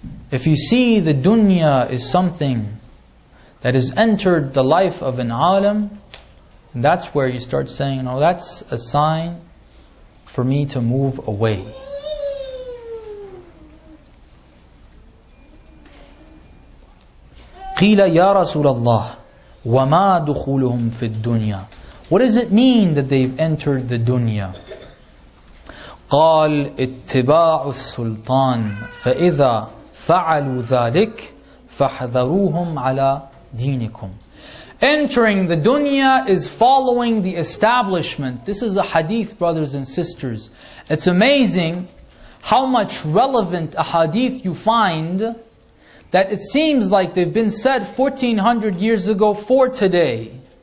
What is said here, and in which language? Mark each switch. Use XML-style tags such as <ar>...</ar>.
<en>If you see the dunya is something that has entered the life of an alim, that's where you start saying, oh, that's a sign for me to move away.</en> <ar>قِيلَ يَا رَسُولَ اللَّهِ وَمَا دُخُولُهُمْ فِي الدُّنْيَا.</ar> <en>What does it mean that they've entered the dunya?</en> <ar>قال اتباع السلطان فإذا فعلوا ذلك فاحذروهم على دينكم.</ar> <en>Entering the dunya is following the establishment. This is a hadith, brothers and sisters. It's amazing how much relevant a hadith you find that it seems like they've been said 1400 years ago for today.</en>